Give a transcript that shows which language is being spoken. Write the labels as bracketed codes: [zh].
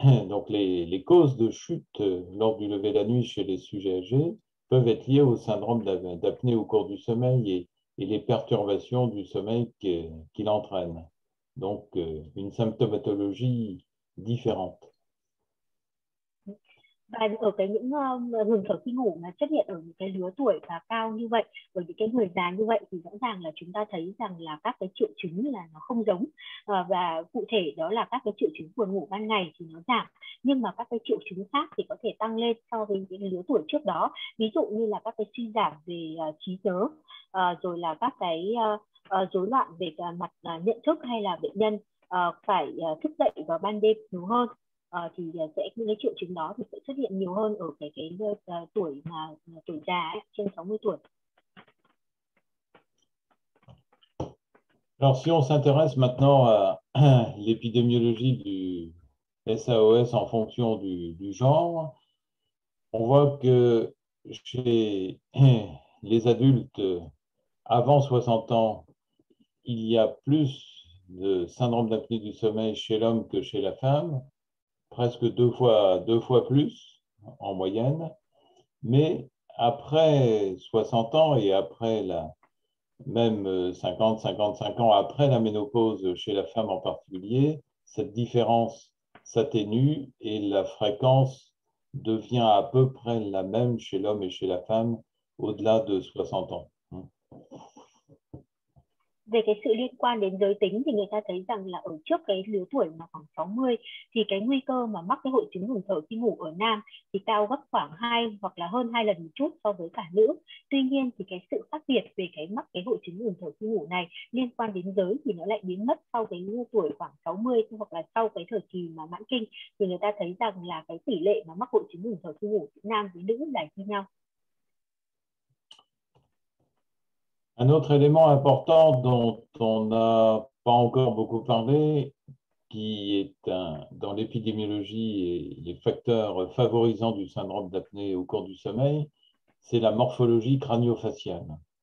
[fr] Donc, les causes de chute lors du lever la nuit chez les sujets âgés peuvent être liées au syndrome d'apnée au cours du sommeil et les perturbations du sommeil qui l'entraînent. Donc, une symptomatologie différente. [vi] Và ở cái những ngừng thở khi ngủ mà xuất hiện ở những cái lứa tuổi và cao như vậy, ở những cái người già như vậy thì rõ ràng là chúng ta thấy rằng là các cái triệu chứng là nó không giống, và cụ thể đó là các cái triệu chứng buồn ngủ ban ngày thì nó giảm nhưng mà các cái triệu chứng khác thì có thể tăng lên so với những lứa tuổi trước đó, ví dụ như là các cái suy giảm về trí nhớ, rồi là các cái rối loạn về mặt nhận thức, hay là bệnh nhân phải thức dậy vào ban đêm nhiều hơn. Thì sẽ những cái triệu chứng đó thì sẽ xuất hiện nhiều hơn ở cái tuổi mà tuổi già ấy, trên 60 tuổi. [fr] Alors, si on s'intéresse maintenant à l'épidémiologie du SAOS en fonction du genre, on voit que chez les adultes avant 60 ans, il y a plus de syndrome d'apnée du sommeil chez l'homme que chez la femme, presque deux fois plus en moyenne. Mais après 60 ans et après la Même 50, 55 ans après la ménopause chez la femme en particulier, cette différence s'atténue et la fréquence devient à peu près la même chez l'homme et chez la femme au-delà de 60 ans. [vi] Về cái sự liên quan đến giới tính thì người ta thấy rằng là ở trước cái lứa tuổi mà khoảng 60 thì cái nguy cơ mà mắc cái hội chứng ngừng thở khi ngủ ở nam thì cao gấp khoảng 2 hoặc là hơn 2 lần một chút so với cả nữ. Tuy nhiên thì cái sự khác biệt về cái mắc cái hội chứng ngừng thở khi ngủ này liên quan đến giới thì nó lại biến mất sau cái tuổi khoảng 60 hoặc là sau cái thời kỳ mà mãn kinh, thì người ta thấy rằng là cái tỷ lệ mà mắc hội chứng ngừng thở khi ngủ nam với nữ là như nhau. [fr] Un autre élément important dont on n'a pas encore beaucoup parlé, qui est dans l'épidémiologie et les facteurs favorisant du syndrome d'apnée au cours du sommeil, c'est la morphologie crânio-faciale.